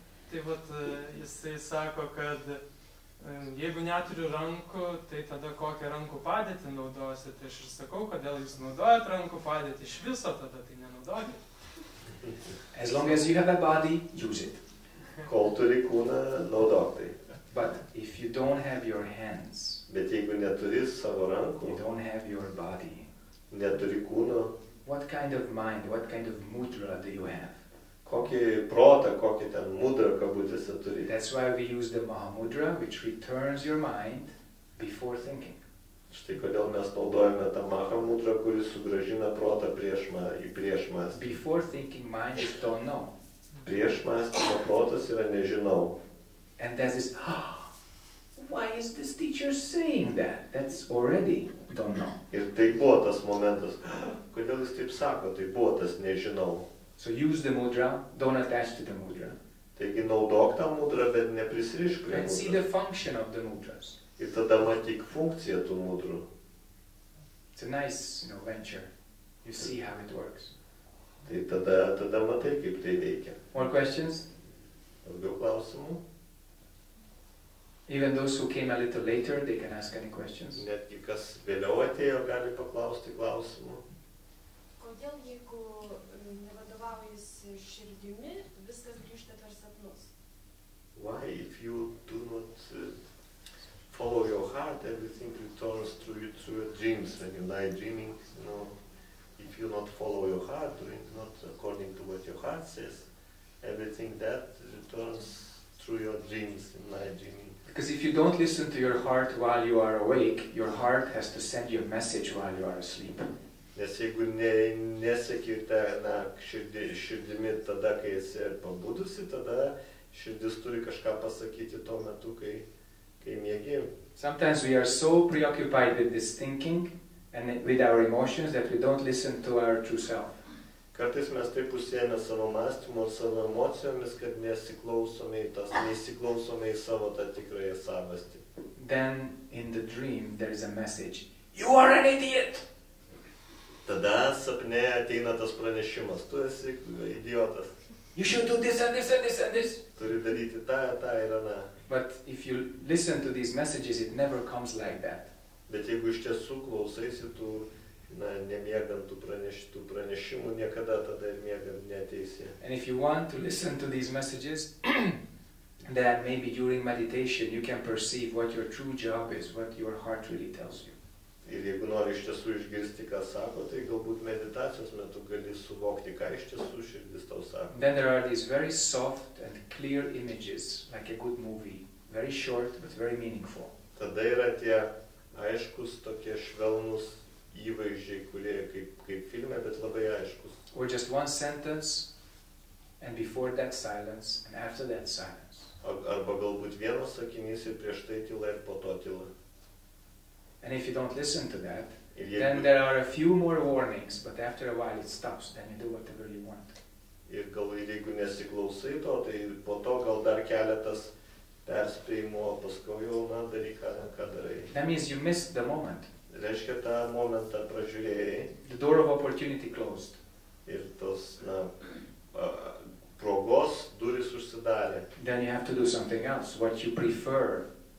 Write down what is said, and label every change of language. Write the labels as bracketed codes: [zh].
[lt] Tai vat, jisai sako, kad jeigu neturiu rankų, tai tada kokią rankų padėtį naudosit? Tai aš ir sakau, kodėl jūs naudojat rankų padėtį iš viso, tada tai nenaudokit. [en] As long as you have a body, use it. [lt] Kol turi kūną, naudok tai. [en] But if you don't have your hands, [lt] bet jeigu neturi savo rankų, [en] you don't have your body, [lt] neturi kūno, [en] what kind of mind, what kind of mudra do you have? [lt] Kokį protą, kokį ten mudrą kabutėse turi. [en] That's why we use the mahamudra, which returns your mind before thinking. [lt] Štai kodėl mes naudojame tą mahamudrą, kuris sugražina protą prieš mąstymą. [en] Before thinking, mind is don't know. [lt] Prieš mąstymą protas yra nežinau. [en] And there's this, why is this teacher saying that? That's already don't know. [lt] Ir tai buvo tas momentas. Kodėl jis taip sako, tai buvo tas nežinau. [en] So use the mudra, don't attach to the mudra. [lt] Taigi naudok tą mudrą, bet neprisirišk prie [en] mudras. And see the function of the mudras. [lt] Ir tada matyk funkciją tų mudrų. [en] It's a nice, you know, venture. You see how it works. [lt] Tai tada matai, kaip tai veikia. [en] More questions? [lt] Daugiau klausimų? [en] Even those who came a little later, they can ask any questions. [lt] Netgi kas vėliau atėjo, gali paklausti klausimų. Kodėl jeigu nevadovaujasi širdimi, viskas grįžta per sapnus? [en] Why if you do not follow your heart, everything returns through your dreams, when you lie dreaming, you know, if you not follow your heart, doing not according to what your heart says, everything that returns through your dreams, in lie dreaming. Because if you don't listen to your heart while you are awake, your heart has to send you a message while you are asleep. [lt] Nes jeigu nesekite, na, širdimi tada, kai esi pabudusi, tada Širdis turi kažką pasakyti tuo metu, kai miegi. [en] Sometimes we are so preoccupied with this thinking and with our emotions that we don't listen to our true self. [lt] Kartais mes taip užsiėmę savo mąstymu ir savo emocijomis, kad neįsiklausome į savo tą tikrąją savastį. [en] Then in the dream there is a message. You are an idiot. [lt] Tada sapne ateina tas pranešimas. Tu esi idiotas. [en] You should do this and this and this and this. [lt] Turi daryti tą ir aną. [en] But if you listen to these messages, it never comes like that. [lt] Bet jeigu iš tiesų klausaisi tu, na, nemiegant tų pranešimų, niekada tada ir miegant neteisi. [en] And if you want to listen to these messages, then maybe during meditation you can perceive what your true job is, what your heart really tells you. [lt] Ir jeigu nori iš tiesų išgirsti, ką sako, tai galbūt meditacijos metu gali suvokti, ką iš tiesų širdis tau sako. [en] Then there are these very soft and clear images, like a good movie. Very short, but very meaningful. [lt] Tada yra tie aiškus, tokie švelnus įvaizdžiai, kurie kaip filme, bet labai aiškus. [en] Or just one sentence, and before that silence, and after that silence. [lt] Arba galbūt vienas sakinys ir prieš tai tyla ir po to tyla. [en] And if you don't listen to that, then there are a few more warnings, but after a while it stops, then you do whatever you want. [lt] Ir gal ir jeigu nesiklausai to, tai po to gal dar keletas perspėjimo, paskui jau, na, daryk, ką darai. [en] That means you missed the moment. [lt] Reiškia, tą momentą pražiūrėjai. [en] The door of opportunity closed. [lt] Ir tos, na, progos durys užsidarė. [en] Then you have to do something else, what you prefer.